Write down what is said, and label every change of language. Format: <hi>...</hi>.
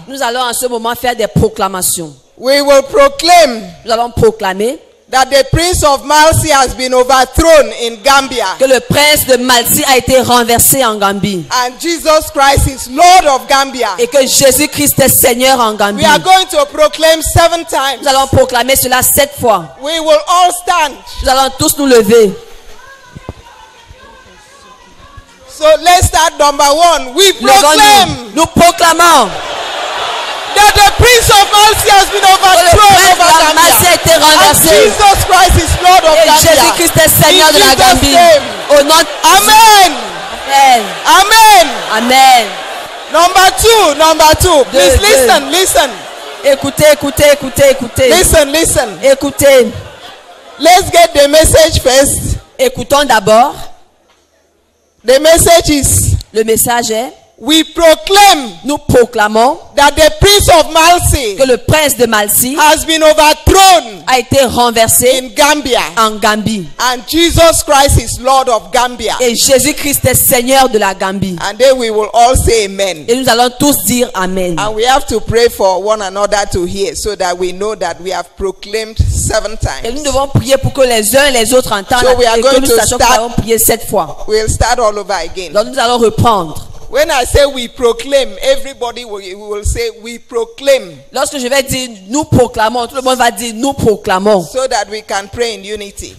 <fr>Nous allons en ce moment faire des proclamations.</fr> <en>We will proclaim.</en> <fr>Nous allons proclamer</fr> <en>that the prince of Malsi has been overthrown in Gambia.</en> <fr>Que le prince de Malsi a été renversé en Gambie.</fr> <en>And Jesus Christ is Lord of Gambia.</en> <fr>Et que Jésus Christ est Seigneur en Gambie.</fr> <en>We are going to proclaim 7 times.</en> <fr>Nous allons proclamer cela 7 fois.</fr> <en>We will all stand.</en> <fr>Nous allons tous nous lever.</fr> <en>So let's start number 1. We proclaim.</en> <fr>Nous proclamons.</fr> <en>That the prince of Malsi has been overthrown over Gambia.</en> <fr>Malsi a été renversé.</fr> <en>And Jesus Christ is Lord of Gambia.</en> <fr>Et Jésus Christ est Seigneur de la Gambie. Au nom. Amen. Amen. Amen. Amen.</fr> <en>Number two. Please listen.</en> <fr>Écoutez.</fr> <en>Listen.</en> <fr>Écoutez.</fr> <en>Let's get the message first.</en> <fr>Écoutons d'abord.</fr> <en>The message is.</en> <fr>Le message est.</fr> <en>We proclaim,</en> <fr>nous proclamons,</fr> <en>that the prince of Malsi,</en> <fr>que le prince de Malsi,</fr> <en>has been overthrown,</en> <fr>a été renversé,</fr> <en>in Gambia,</en> <fr>en Gambie,</fr> <en>and Jesus Christ is Lord of Gambia,</en> <fr>et Jésus Christ est Seigneur de la Gambie,</fr> <en>and then we will all say amen,</en> <fr>et nous allons tous dire amen,</fr> <en>and we have to pray for one another to hear so that we know that we have proclaimed 7 times,</en> <fr>et nous devons prier pour que les uns les autres entendent,</fr> <en>so we are</en> <fr>et</fr> <en>going</en> <fr>que nous sachions</fr> <en>start,</en> <fr>que nous prier 7 fois,</fr> <en>we'll start all over again,</en> <fr>donc nous allons reprendre.</fr> <en>When I say we proclaim, everybody will say we proclaim.</en> <fr>Lorsque je vais dire nous proclamons, tout le monde va dire nous proclamons.</fr> <en>So that we can pray in unity.</en>